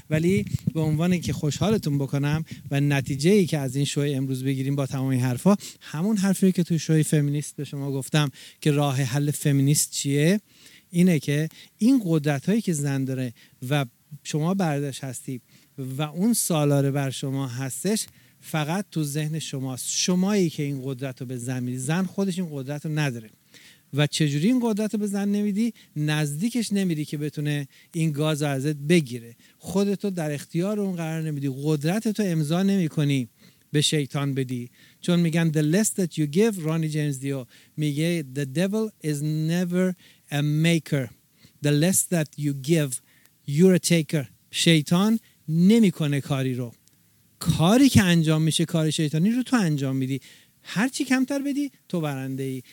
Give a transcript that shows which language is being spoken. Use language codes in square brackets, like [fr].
[fa] ولی به عنوان که خوشحالتون بکنم و نتیجه‌ای که از این شو امروز بگیریم با تمام این حرفا، همون حرفی که تو شو فمینیست به شما گفتم که راه حل فمینیست چیه، اینه که این قدرت هایی که زن داره و شما بردش هستی و اون سالاره بر شما هستش، فقط تو ذهن شماست، شمایی که این قدرت رو به زن میدی. زن خودش این قدرت رو نداره. و چجوری این قدرت رو به زن نمیدی؟ نزدیکش نمیری که بتونه این گاز ازت بگیره. خودتو در اختیار اون قرار نمیدی، قدرتتو امضا نمی کنی به شیطان بدی. چون میگن [en] the less that you give، [fa] رانی جیمز دیو میگه [en] the devil is never a maker. The less that you give, you're a taker. [fa] شیطان نمی کنه کاری رو. کاری که انجام میشه کار شیطانی رو تو انجام میدی. هر چی کمتر بدی تو برنده ای.